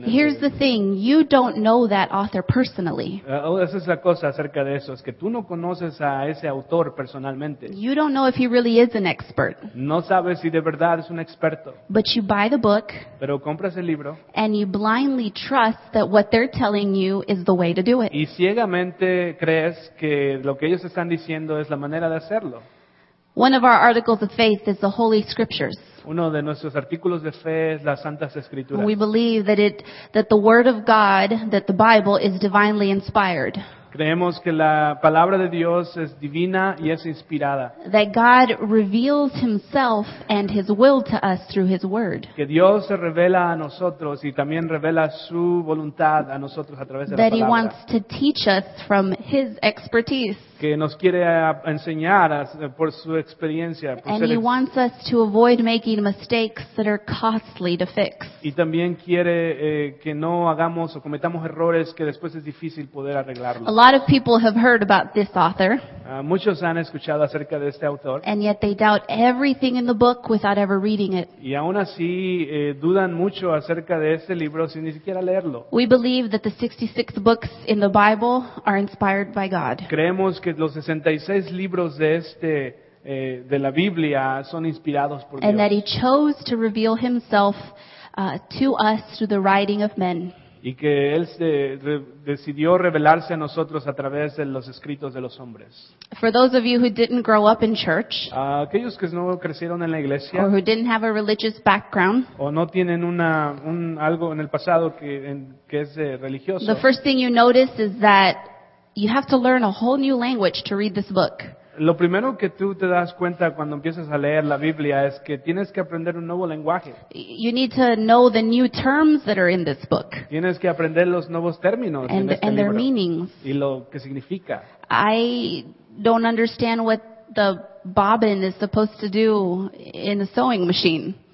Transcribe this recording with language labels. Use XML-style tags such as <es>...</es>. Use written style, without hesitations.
<en>Here's the thing, you don't know that author personally.</en> <es>Esa es la cosa acerca de eso, es que tú no conoces a ese autor personalmente.</es> <en>You don't know if he really is an expert.</en> <es>No sabes si de verdad es un experto.</es> <en>But you buy the book.</en> <es>Pero compras el libro.</es> <en>And you blindly trust that what they're telling you is the way to do it.</en> <es>Y ciegamente crees que lo que ellos están diciendo es la manera de hacerlo.</es> <en>One of our articles of faith is the Holy Scriptures.</en> <es>Uno de nuestros artículos de fe es las Santas Escrituras.</es> <en>We believe that the Word of God, that the Bible, is divinely inspired.</en> <es>Creemos que la palabra de Dios es divina y es inspirada.</es> <en>That God reveals himself and his will to us through his word.</en> <es>Que Dios se revela a nosotros y también revela su voluntad a nosotros a través de la palabra.</es> <en>That he wants to teach us from his expertise.</en> <es>Que nos quiere enseñar por su experiencia.</es> <en>And he wants us to avoid making mistakes that are costly to fix.</en> <es>Y también quiere que no hagamos o cometamos errores que después es difícil poder arreglarlo.</es> <en>A lot of people have heard about this author.</en> <es>Muchos han escuchado acerca de este autor.</es> <en>And yet they doubt everything in the book without ever reading it.</en> <es>Y aún así dudan mucho acerca de este libro sin ni siquiera leerlo.</es> <en>We believe that the 66 books in the Bible are inspired by God.</en> <es>Creemos que los 66 libros de este de la Biblia son inspirados por Dios.</es> <en>And that he chose to reveal himself to us through the writing of men.</en> <es>Y que él decidió revelarse a nosotros a través de los escritos de los hombres.</es> <en>For those of you who didn't grow up in church,</en> <es>aquellos que no crecieron en la iglesia,</es> <en>or who didn't have a religious background,</en> <es>o no tienen algo en el pasado que es religioso,</es> <en>the first thing you notice is that you have to learn a whole new language to read this book.</en> <es>Lo primero que tú te das cuenta cuando empiezas a leer la Biblia es que tienes que aprender un nuevo lenguaje.</es> <en>You need to know the new terms that are in this book.</en> <es>Tienes que aprender los nuevos términos en este</es> <en>and their</en> <es>libro</es> <en>meanings.</en> <es>Y lo que significa.</es> <en>I don't understand what the bobbin is supposed to do in the sewing machine.</en>